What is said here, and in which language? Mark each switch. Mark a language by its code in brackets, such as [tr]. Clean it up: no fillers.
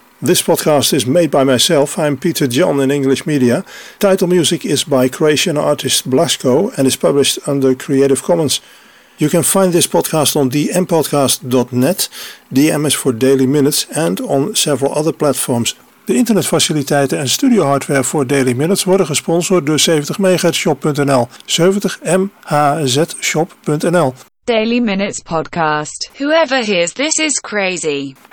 [en] This podcast is made by myself. I'm Peter John in English Media. Title music is by Croatian artist Blasko and is published under Creative Commons. You can find this podcast on dmpodcast.net, DM is for Daily Minutes, and on several other platforms. [nl] De internetfaciliteiten en studio hardware voor Daily Minutes worden gesponsord door 70MHzShop.nl, 70MHzShop.nl. [en] Daily Minutes Podcast. Whoever hears this is crazy.